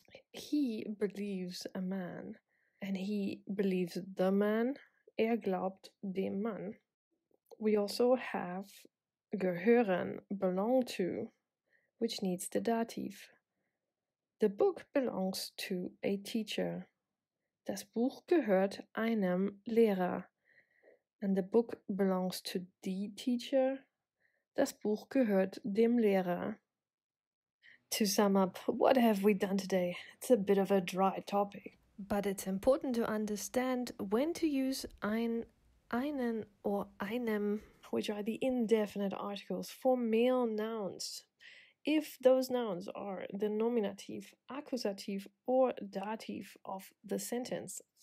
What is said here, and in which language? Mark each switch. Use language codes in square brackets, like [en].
[en] He believes a man, and he believes the man. [de] Glaubt dem Mann. [en] We also have gehören, belong to, which needs the Dativ. The book belongs to a teacher. [de] Das Buch gehört einem Lehrer. [en] And the book belongs to the teacher. [de] Das Buch gehört dem Lehrer. [en] To sum up, what have we done today? It's a bit of a dry topic. But it's important to understand when to use ein, einen, or einem, which are the indefinite articles for male nouns. If those nouns are the nominativ, accusative, or dativ of the sentence.